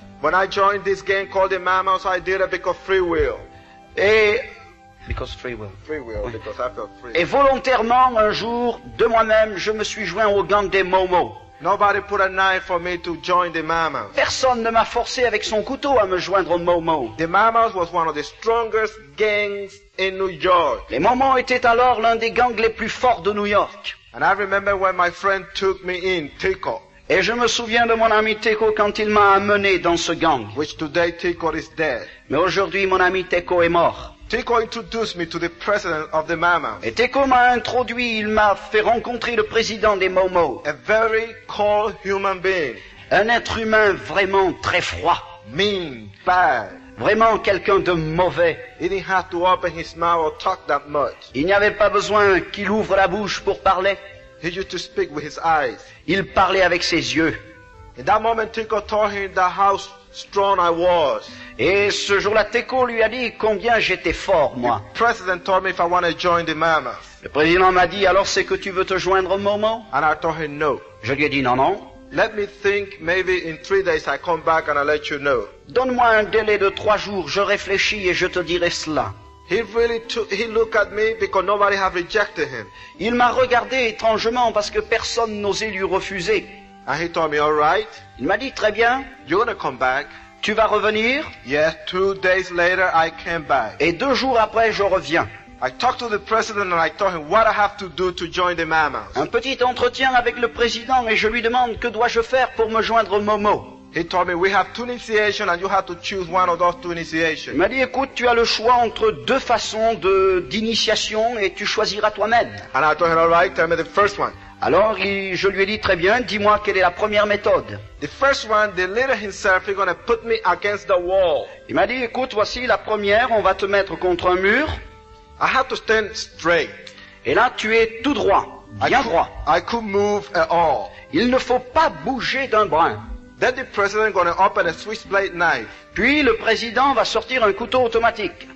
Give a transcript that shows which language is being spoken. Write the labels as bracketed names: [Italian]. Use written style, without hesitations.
[English] When I joined this gang called the Mamas, I did it because free will. [French] Et [English] because free will. Free will, oui. Because I felt free. [French] Et volontairement, un jour, de moi-même, je me suis joint au gang des Momo. [English] Nobody put a knife for me to join the Mamas. [French] Personne ne m'a forcé avec son couteau à me joindre aux Momo. [English] The Mamas was one of the strongest gangs in New York. [French] Les Momo étaient alors l'un des gangs les plus forts de New York. [English] And I remember when my friend took me in, Tico. [French] Et je me souviens de mon ami Teko quand il m'a amené dans ce gang. [English] Which today Teko is dead. [French] Mais aujourd'hui, mon ami Teko est mort. [English] Teko introduced me to the president of the Mamas. [French] Et Teko m'a introduit, il m'a fait rencontrer le président des Momo. [English] A very cold human being. [French] Un être humain vraiment très froid. [English] Mean, bad. [French] Vraiment quelqu'un de mauvais. [English] He didn't have to open his mouth or talk that much. [French] Il n'y avait pas besoin qu'il ouvre la bouche pour parler. [English] He used to speak with his eyes. [French] Il parlait avec ses yeux. [English] In that moment, Teko told him that how strong I was. [French] Et ce jour-là, Teko lui a dit combien j'étais fort, moi. [English] The president told me if I want to join the Mamas. [French] Le président m'a dit, alors c'est que tu veux te joindre au Momo? [English] And I told him no. [French] Je lui ai dit non. [English] Let me think, maybe in 3 days I come back and I'll let you know. [French] Donne-moi un délai de 3 jours, je réfléchis et je te dirai cela. [English] He looked at me because nobody had rejected him. [French] Il m'a regardé étrangement parce que personne n'osait lui refuser. [English] And he told me, all right. [French] Il m'a dit, très bien. [English] You're gonna come back. [French] Tu vas revenir? [English] Yes, 2 days later I came back. [French] Et 2 jours après je reviens. [English] I talked to the president and I told him what I have to do to join the Mamas. [French] Un petit entretien avec le président et je lui demande que dois-je faire pour me joindre au Momo. [English] He told me we have 2 initiations and you have to choose one of those 2 initiations. [French] Il m'a dit, écoute, tu as le choix entre 2 façons d'initiation et tu choisiras toi-même. [English] And I told him, all right, tell me the first one. [French] Alors je lui ai dit, très bien, dis-moi quelle est la première méthode. [English] The first one, the leader himself is going to put me against the wall. [French] Il m'a dit, écoute, voici la première, on va te mettre contre un mur. [English] I have to stand straight. [French] Et là, tu es tout droit, bien droit. [English] I could move at all. [French] Il ne faut pas bouger d'un brin. [English] Then the president gonna open a switchblade knife. [French] Puis le président va sortir un couteau automatique.